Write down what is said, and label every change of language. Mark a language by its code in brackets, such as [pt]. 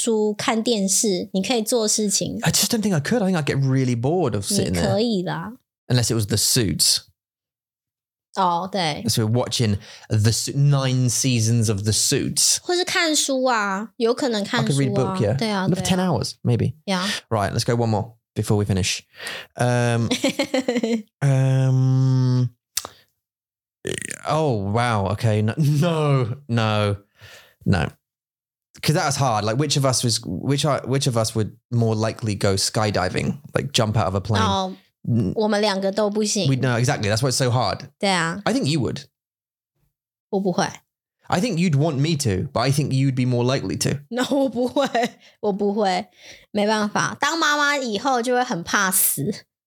[zh] 十个小时，这是很长的时间，所以在床上睡觉是比较好的选择。但是十个小时你坐在沙发上，比较有可能是因为你不喜欢睡觉。所以你会坐在沙发上，你可以看书、看电视，你可以做事情。I [en] just don't think I could. I think I'd get really bored of sitting there. [zh] 你可以啦。 [en] Unless it was the suits. [zh] Oh, 对。 [en] So we're watching the 9 seasons of the suits. [zh] 或是看书啊, 有可能看书啊。 [en] I could read a book, yeah. [zh] 对啊, [en] for 10 hours, maybe. Yeah. Right, let's go one more before we finish. oh, wow, okay. No. Because that was hard. Like, which of us would more likely go skydiving? Like, jump out of a plane? [zh] Oh. 我们两个都不行。 [en] No, exactly. That's why it's so hard. [zh] 对啊。 [en] I think you would. [zh] 我不会。 [en] I think you'd want me to, but I think you'd be more likely to. [zh] No, 我不会，没办法。当妈妈以后就会很怕死。